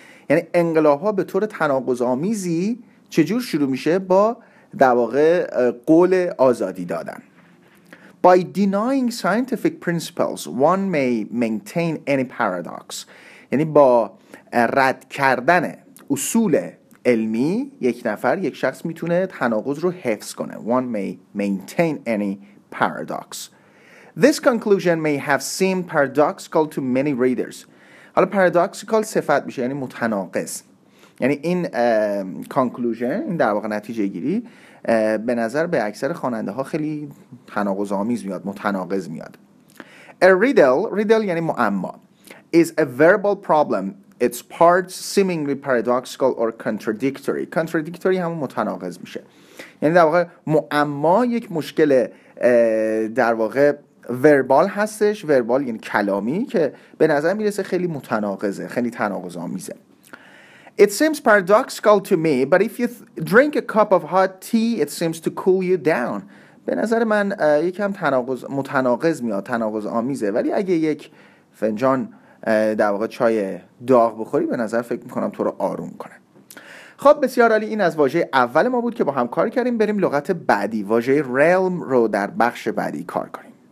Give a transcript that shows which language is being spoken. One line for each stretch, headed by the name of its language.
Persian: یعنی انقلاب‌ها به طور تناقض‌آمیزی چجور شروع میشه؟ با در واقع قول آزادی دادن.
English: By denying scientific principles one may maintain any paradox.
Persian: یعنی با رد کردن اصول علمی یک نفر، یک شخص میتونه تناقض رو حفظ کنه.
English: One may maintain any paradox. This conclusion may have seemed paradoxical to many readers.
Persian: حالا paradoxical صفت میشه یعنی متناقض. یعنی این conclusion، این در واقع نتیجه گیری، به نظر به اکثر خواننده ها خیلی تناقض آمیز میاد، متناقض میاد.
English: A riddle
Persian: یعنی معما،
English: is a verbal problem. Its parts seemingly paradoxical or contradictory.
Persian: Contradictory همون متناقض میشه. یعنی در واقع معما یک مشکل در واقع وربال هستش. وربال یعنی کلامی، که به نظر میرسه خیلی متناقضه، خیلی تناقض آمیزه.
English: It seems paradoxical to me, but if you drink a cup of hot tea, it seems to cool you down.
Persian: به نظر من یکم تناقض متناقض میاد، تناقض آمیزه. ولی اگه یک فنجان در واقع چای داغ بخوری، به نظر فکر میکنم تو رو آروم کنه. خب بسیار عالی، این از واژه اول ما بود که با هم کار کردیم. بریم لغت بعدی، واژه realm رو در بخش بعدی کار کنیم.